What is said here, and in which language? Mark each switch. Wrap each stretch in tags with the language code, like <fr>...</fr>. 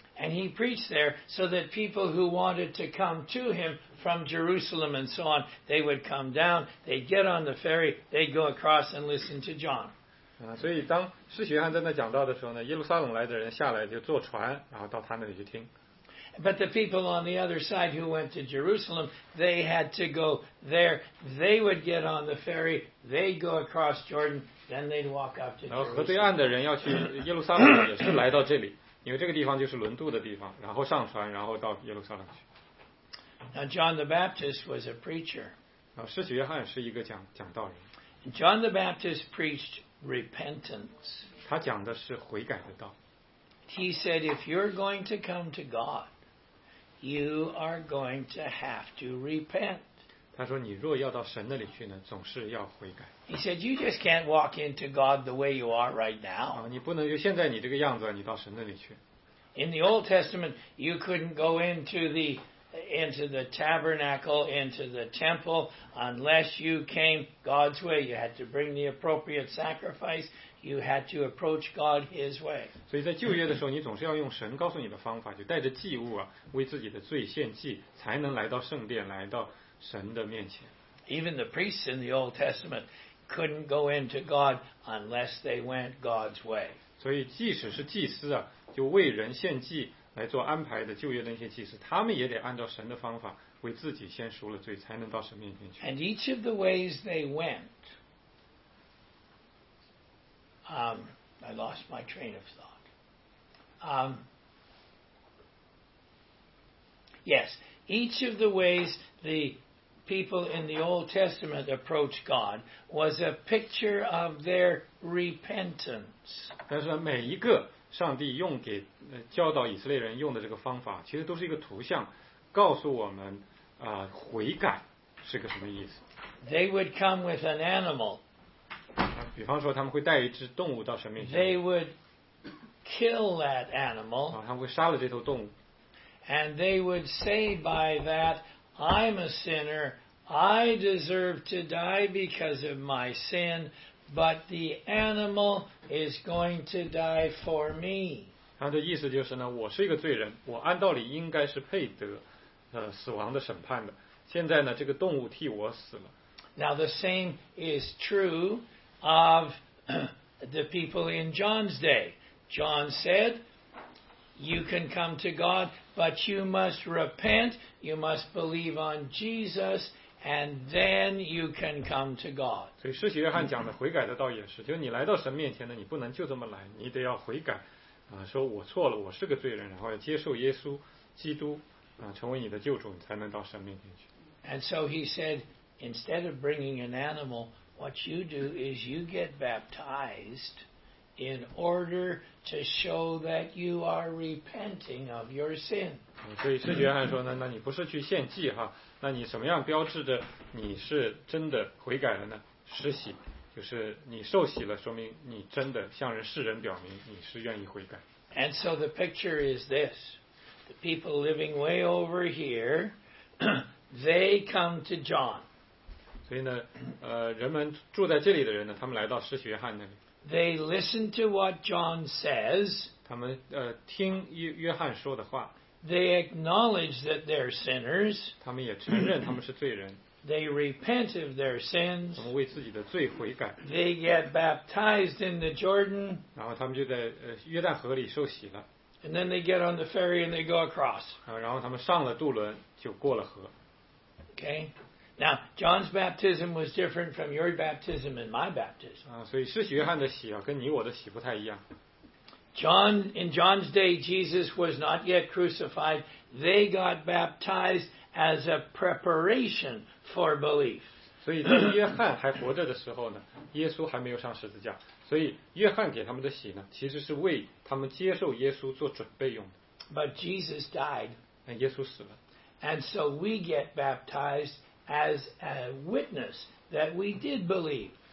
<en>And he preached there so that people who wanted to come to him from Jerusalem and so on, they would come down, they'd get on the ferry, they'd go across and listen to John.</en> <zh>所以当施洗约翰在那讲道的时候呢，耶路撒冷来的人下来就坐船，然后到他那里去听。</zh> <en>But the people on the other side who went to Jerusalem, they had to go there. They would get on the ferry, they'd go across Jordan, then they'd walk up to Jerusalem.</en> <zh>然后河对岸的人要去耶路撒冷也是来到这里。因为这个地方就是轮渡的地方，然后上船，然后到耶路撒冷去。</zh> <en>Now John the Baptist was a preacher.</en> <zh>施洗约翰是一个讲道人。</zh> <en>John the Baptist preached repentance.</en> <zh>他讲的是悔改的道。</zh> <en>He said, if you're going to come to God, you are going to have to repent.</en> <zh>他说你若要到神那里去呢，总是要悔改。</zh> <en>He said, you just can't walk into God the way you are right now.</en> <zh>你不能就现在你这个样子你到神那里去。</zh> <en>In the Old Testament, you couldn't go into the tabernacle, into the temple, unless you came God's way. You had to bring the appropriate sacrifice. You had to approach God His way.</en> <zh>所以在旧约的时候，你总是要用神告诉你的方法，就带着祭物啊，为自己的罪献祭，才能来到圣殿，来到神的面前。</zh> <en>Even the priests in the Old Testament couldn't go into God unless they went God's way.</en> <zh>所以即使是祭司啊，就为人献祭来做安排的旧约的那些祭司，他们也得按照神的方法为自己先赎了罪，才能到神面前去。</zh> <en>And each of the ways they went, I lost my train of thought. Yes, each of the ways the people in the Old Testament approach God was a picture of their repentance.</en> <zh>但是每一个上帝用给教导以色列人用的这个方法，其实都是一个图像，告诉我们悔改是个什么意思。</zh> <en>They would come with an animal.</en> <zh>比方说他们会带一只动物到神面前。</zh> <en>They would kill that animal.</en> <zh>他们会杀了这头动物。</zh> <en>And they would say by that,I'm a sinner. I deserve to die because of my sin, but the animal is going to die for me.</en> <zh>他的意思就是呢，我是一个罪人，我按道理应该是配得死亡的审判的。现在呢，这个动物替我死了。</zh> <en>Now the same is true of the people in John's day. John said, "You can come to God." But you must repent, you must believe on Jesus, and then you can come to God.</en> <zh>所以施洗约翰讲的悔改的道也是，就是你来到神面前呢，你不能就这么来，你得要悔改，说我错了，我是个罪人，然后要接受耶稣基督成为你的救主，你才能到神面前去。</zh> <en>And so he said, instead of bringing an animal, what you do is you get baptized in order to show that you are repenting of your sin.</en> <zh>所以施洗约翰说呢，那你不是去献祭哈，那你什么样标志着你是真的悔改了呢？施洗就是你受洗了，说明你真的向人世人表明你是愿意悔改。</zh> <en>And so the picture is this. The people living way over here, they come to John.</en> <zh>所以呢，人们住在这里的人呢，他们来到施洗约翰那里。</zh> <en>They listen to what John says.</en> <zh>他们听约翰说的话。</zh> <en>They acknowledge that they're sinners.</en> <zh>他们也承认他们是罪人。</zh> <en>They repent of their sins.</en> <zh>他们为自己的罪悔改。</zh> <en>They get baptized in the Jordan.</en> <zh>然后他们就在约旦河里受洗了。</zh> <en>And then they get on the ferry and they go across.</en> <zh>然后他们上了渡轮就过了河。</zh> <en>Okay. Now, John's baptism was different from your baptism and my baptism.</en> <zh>所以施洗约翰的洗啊，跟你我的洗不太一样。</zh> <en>John, in John's day, Jesus was not yet crucified. They got baptized as a preparation for belief.</en> <zh>所以当约翰还活着的时候呢，耶稣还没有上十字架，所以约翰给他们的洗呢，其实是为他们接受耶稣做准备用的。</zh> <en>But Jesus died.</en> <zh>耶稣死了。</zh> <en>And so we get baptized. As a witness that we did believe.</en>